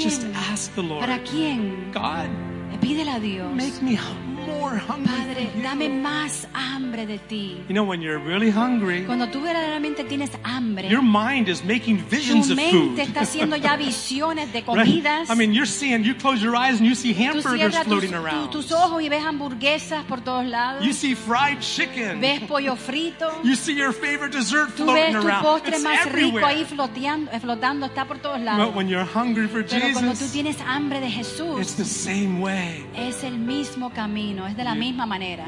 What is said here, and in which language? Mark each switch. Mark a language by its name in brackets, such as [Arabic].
[English] Just ask the Lord. [Spanish] ¿Para quién? [English] God. [Spanish] Pídele a Dios. [English] Make me more hungry. [Spanish] Padre, [English] for you. [Spanish] Dame más hambre de ti. [English] You know when you're really hungry. [Spanish] Cuando tú verdaderamente tienes hambre. [English] Your mind is making visions of food. [Spanish] Tu mente está haciendo ya visiones de comidas. [English] I mean, you're seeing. You close your eyes and you see hamburgers floating around. [Spanish] Tus ojos y ves hamburguesas por todos lados. [English] You see fried chicken. [Spanish] Ves pollo frito. [English] You see your favorite dessert floating around. [Spanish] Tú ves tu postre más [English] everywhere. [Spanish] Rico ahí flotando, está por todos lados. [English] But when you're hungry for [Spanish] pero [English] Jesus, [Spanish] cuando tú tienes hambre de Jesús, [English] it's the same way. [Spanish] Es el mismo camino, es de la misma manera.